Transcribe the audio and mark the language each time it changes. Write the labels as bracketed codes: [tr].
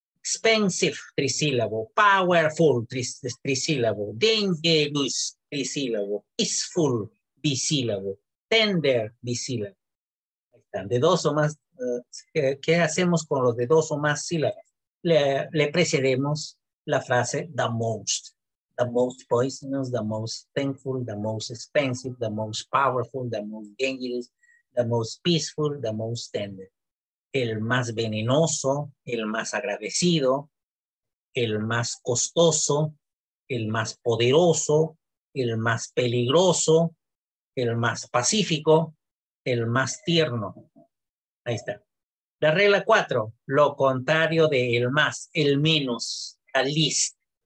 [es] Expensive, trisílabo. Powerful, trisílabo. Dangerous, trisílabo. Peaceful, bisílabo. Tender, bisílabo. Están de dos o más. ¿Qué hacemos con los de dos o más sílabas? Le precedemos la frase the most. [en] The most poisonous, the most thankful, the most expensive, the most powerful, the most dangerous, the most peaceful, the most tender. [es] El más venenoso, el más agradecido, el más costoso, el más poderoso, el más peligroso, el más pacífico, el más tierno. Ahí está. La regla 4, lo contrario de el más, el menos, the least.